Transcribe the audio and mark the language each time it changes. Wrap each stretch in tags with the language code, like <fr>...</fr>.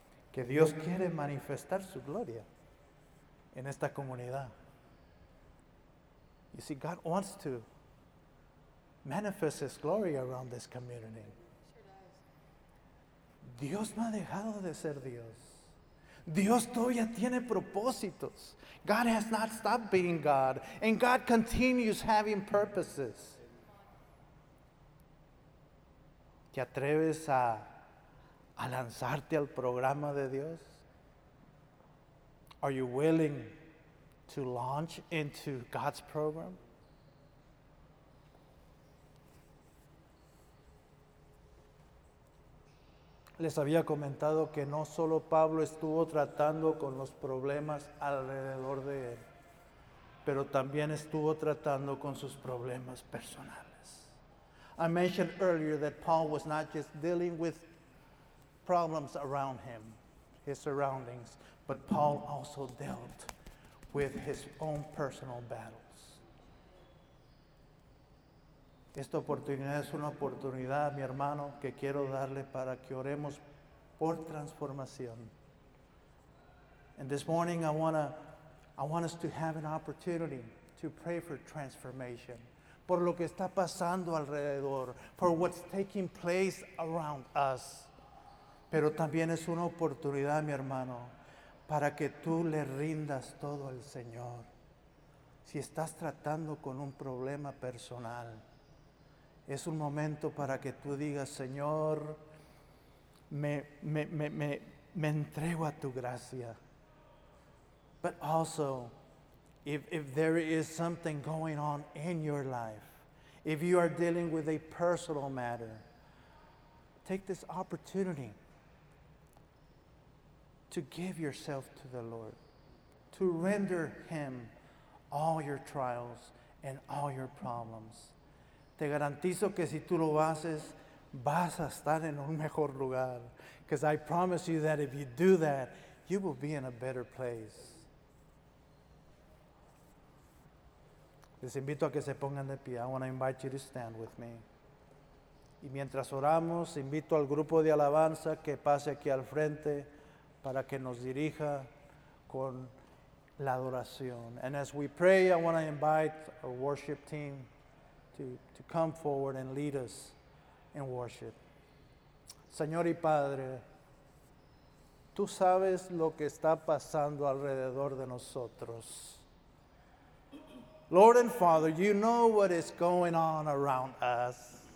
<es>Que Dios quiere manifestar su gloria en esta comunidad.</es> <en>You see, God wants to manifest His glory around this community.</en> <es>Dios no ha dejado de ser Dios. Dios todavía tiene propósitos.</es> <en>God has not stopped being God. And God continues having purposes.</en> <es>¿Te atreves a lanzarte al programa de Dios?</es> <en>Are you willing to launch into God's program?</en> <es>Les había comentado que no solo Pablo estuvo tratando con los problemas alrededor de él, pero también estuvo tratando con sus problemas personales.</es> <en>I mentioned earlier that Paul was not just dealing with problems around him, his surroundings, but Paul also dealt with his own personal battles.</en> <es>Esta oportunidad es una oportunidad, mi hermano, que quiero darle para que oremos por transformación.</es> <en>And this morning I want us to have an opportunity to pray for transformation.</en> <es>Por lo que está pasando alrededor,</es> <en>for what's taking place around us.</en> <es>Pero también es una oportunidad, mi hermano, para que tú le rindas todo al Señor. Si estás tratando con un problema personal, es un momento para que tú digas, Señor, me entrego a tu gracia.</es> <en>But also, if there is something going on in your life, if you are dealing with a personal matter, take this opportunity to give yourself to the Lord, to render Him all your trials and all your problems.</en> <es>Te garantizo que si tú lo haces, vas a estar en un mejor lugar.</es> <en>Because I promise you that if you do that, you will be in a better place.</en> <es>Les invito a que se pongan de pie.</es> <en>I want to invite you to stand with me.</en> <es>Y mientras oramos, invito al grupo de alabanza que pase aquí al frente para que nos dirija con la adoración.</es> <en>And as we pray, I want to invite our worship team to come forward and lead us in worship.</en> <es>Señor y Padre, tú sabes lo que está pasando alrededor de nosotros.</es> <en>Lord and Father, you know what is going on around us.</en>